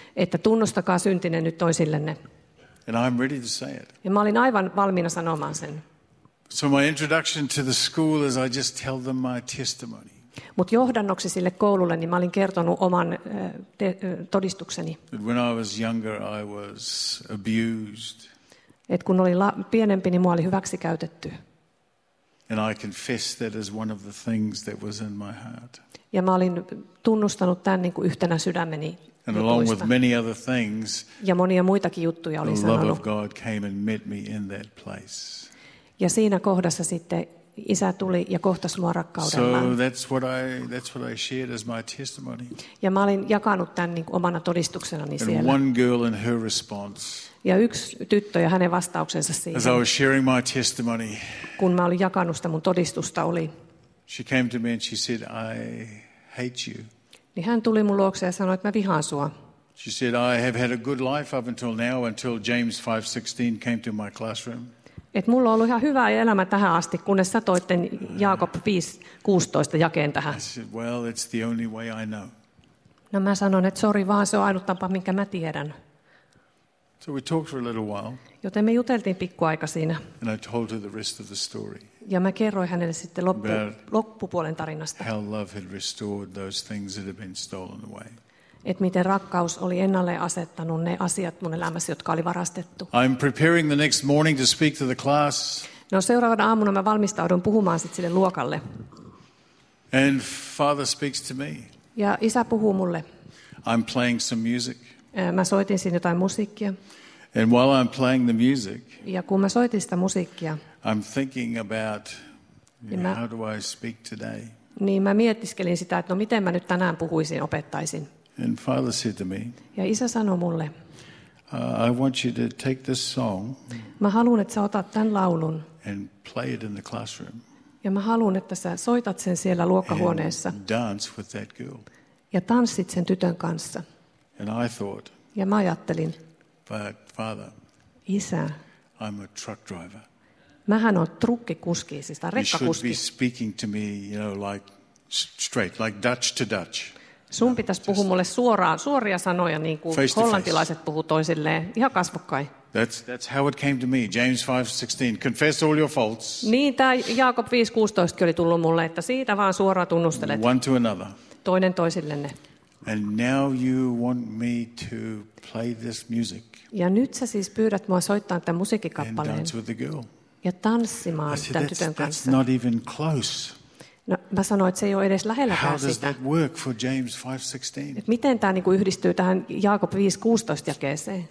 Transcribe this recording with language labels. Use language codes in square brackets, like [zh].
[fi] Että tunnustakaa syntinen nyt toisillenne. [en] And I'm ready to say it. [fi] Ja mä olin aivan valmiina sanomaan sen. [en] So my introduction to the school is I just tell them my testimony. [fi] Mut johdannoksi sille koululle niin mä olin kertonut oman todistukseni. [en] But when I was younger I was abused. [fi] Et kun olin pienempi niin mua oli hyväksi käytetty. [en] And I confessed that as one of the things that was in my heart. [fi] Ja mä olin tunnustanut tämän niin kuin yhtenä sydämeni. [en] And along with many other things. [fi] Ja monia muitakin juttuja oli sanonut. [en] The love of God came and met me in that place. [fi] Ja siinä kohdassa sitten isä tuli ja kohtasi mua rakkaudellaan. [en] So that's what I shared as my testimony. [fi] Ja mä olin jakanut tämän niin kuin omana todistuksenani [en] and [fi] siellä. [en] One girl and her response. [fi] Ja yksi tyttö ja hänen vastauksensa siihen. [en] As I was sharing my testimony. [fi] Kun mä olin jakanut sitä mun todistusta oli. [en] She came to me and she said I hate you. [fi] Niin hän tuli mun luokse ja sanoi että mä vihaan sua. [en] She said I have had a good life up until now until James 5:16 came to my classroom. [fi] Et mulla on ollut ihan hyvä elämä tähän asti kunnes sä toit Jaakob 5:16 jakeen tähän. [en] I said, well, it's the only way I know. [fi] No mä sanon että sori vaan se on ainut tapa minkä mä tiedän. [en] So we talked for a little while. [fi] Joten me juteltiin pikku aika siinä. [en] And I told her the rest of the story. [fi] Ja mä kerroin hänelle sitten loppupuolen tarinasta. [en] How love had restored those things that had been stolen away. [fi] Et miten rakkaus oli ennalleen asettanut ne asiat mun elämässä, jotka oli varastettu. [en] I'm preparing the next morning to speak to the class. [fi] No seuraavana aamuna mä valmistaudun puhumaan sitten sille luokalle. [en] And father speaks to me. [fi] Ja isä puhuu mulle. [en] I'm playing some music. [fi] Mä soitin siinä jotain musiikkia. [en] And while I'm playing the music. [fi] Ja kun mä soitin sitä musiikkia. [en] I'm thinking about how do I speak today? [fi] Niin mä mietiskelin sitä että no miten mä nyt tänään puhuisin opettaisin. [en] And father said to me. [fi] Ja isä sanoi mulle. [en] I want you to take this song. [fi] Mä haluan että sä otat tämän laulun. [en] And play it in the classroom. [fi] Ja mä haluan että sä soitat sen siellä luokkahuoneessa. [en] And dance with that girl. [fi] Ja tanssit sen tytön kanssa. [en] And I thought. [fi] Ja mä ajattelin. [en] But father. [fi] Isä. [en] I'm a truck driver. [fi] Mähän on trukkikuski, siis tämä rekkakuski. [en] You should be speaking to me, you know, like straight, like Dutch to Dutch. [fi] Sun pitäisi puhua mulle suoria sanoja, niin kuin hollantilaiset puhuu toisilleen, ihan kasvokkain. [en] That's how it came to me. James 5:16. Confess all your faults. [fi] Niin tämä Jaakob 5:16 oli tullut mulle, että siitä vaan suoraan tunnustelet. [en] One to another. [fi] Toinen toisillenne. [en] And now you want me to play this music. [fi] Ja nyt sä siis pyydät mua soittamaan tämän musiikkikappaleen. [en] And dance with the girl. [fi] Ja tanssimaan [en] said, [fi] tämän tytön kanssa. [en] That's not even close. [fi] No, mä sanoin, että se ei ole edes lähelläkään sitä. [en] How does [fi] sitä. [en] That work for James 5:16? [fi] Et miten tämä niinku yhdistyy tähän Jaakob 5:16 jakeeseen?